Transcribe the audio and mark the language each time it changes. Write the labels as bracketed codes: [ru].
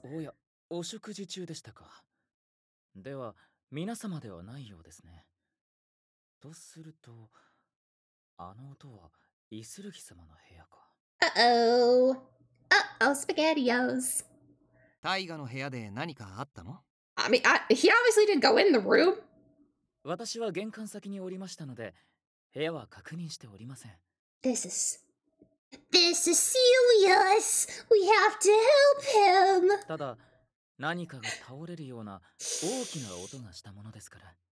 [ja] おや、お食事中でしたか。では、皆様ではないようですね。とすると、あの音はイスルギ様の部屋か。 [en] Uh-oh! Uh-oh, SpaghettiOs! [ja] タイガの部屋で何かあったの? [en] I mean, he obviously didn't go in the room! [ja] 私は玄関先におりましたので、部屋は確認しておりません。 [en] This is serious! We have to help him! [ja] ただ、何かが倒れるような大きな音がしたものですから。